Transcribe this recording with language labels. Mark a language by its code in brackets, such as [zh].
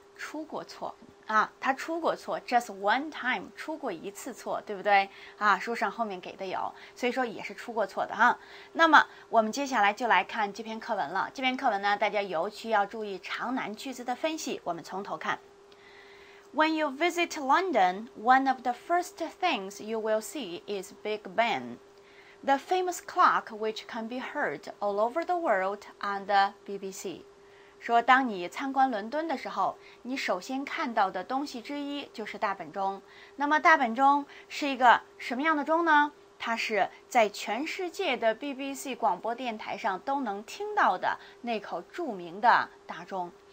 [zh] 出过错啊，它出过错 ， [en] just one time， [zh] 出过一次错，对不对？啊，书上后面给的有，所以说也是出过错的哈。那么我们接下来就来看这篇课文了。这篇课文呢，大家尤其要注意长难句子的分析，我们从头看。 [en] When you visit London, one of the first things you will see is Big Ben, the famous clock which can be heard all over the world on the BBC. [zh] 说当你参观伦敦的时候，你首先看到的东西之一就是大本钟。那么大本钟是一个什么样的钟呢？它是在全世界的 BBC 广播电台上都能听到的那口著名的大钟。